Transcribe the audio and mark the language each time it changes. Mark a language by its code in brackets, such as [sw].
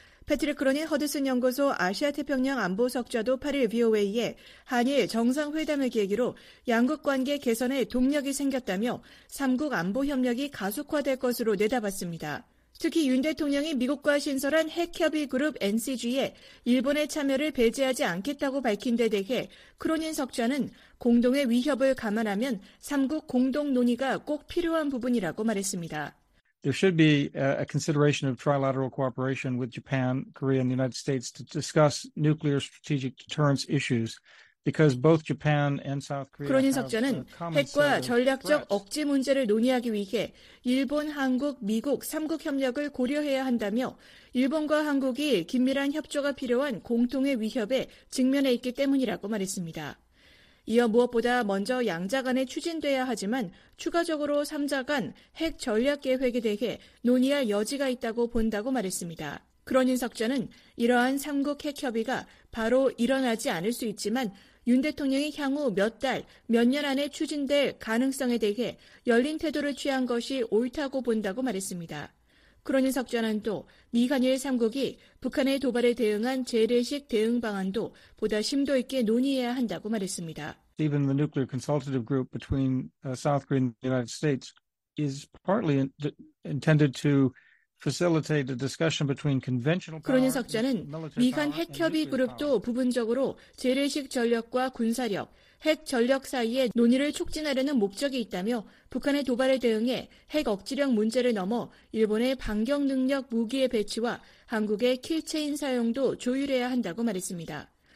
[ko] 패트릭 크로닌 허드슨 연구소 아시아태평양 안보석좌도 8일 VOA에 한일 정상회담을 계기로 양국 관계 개선에 동력이 생겼다며 3국 안보협력이 가속화될 것으로 내다봤습니다. 특히 윤 대통령이 미국과 신설한 핵협의 그룹 NCG에 일본의 참여를 배제하지 않겠다고 밝힌 데 대해 크로닌 석좌는 공동의 위협을 감안하면 3국 공동 논의가 꼭 필요한 부분이라고 말했습니다. [en] There should be a consideration of trilateral cooperation with Japan, Korea, and the United States to discuss nuclear strategic deterrence issues. Because both Japan and South Korea [ko] 크로닌 석좌는 핵과 전략적 억제 문제를 논의하기 위해 일본, 한국, 미국 3국 협력을 고려해야 한다며 일본과 한국이 긴밀한 협조가 필요한 공통의 위협에 직면해 있기 때문이라고 말했습니다. 이어 무엇보다 먼저 양자 간에 추진돼야 하지만 추가적으로 3자 간 핵 전략 계획에 대해 논의할 여지가 있다고 본다고 말했습니다. 크로닌 석좌는 이러한 3국 핵 협의가 바로 일어나지 않을 수 있지만 윤 대통령이 향후 몇 달, 몇 년 안에 추진될 가능성에 대해 열린 태도를 취한 것이 옳다고 본다고 말했습니다. 크로닌 석좌는 또 미한일 3국이 북한의 도발에 대응한 재래식 대응 방안도 보다 심도 있게 논의해야 한다고 말했습니다. [en] Even the nuclear consultative group between South Korea and the United States is partly intended to facilitate the discussion between conventional power. [ko] 크로닌 석좌는 미한 핵협의 그룹도 부분적으로 재래식 전력과 군사력, 핵 전력 사이의 논의를 촉진하려는 목적이 있다며 북한의 도발에 대응해 핵 억지력 문제를 넘어 일본의 반격 능력 무기의 배치와 한국의 킬체인 사용도 조율해야 한다고 말했습니다.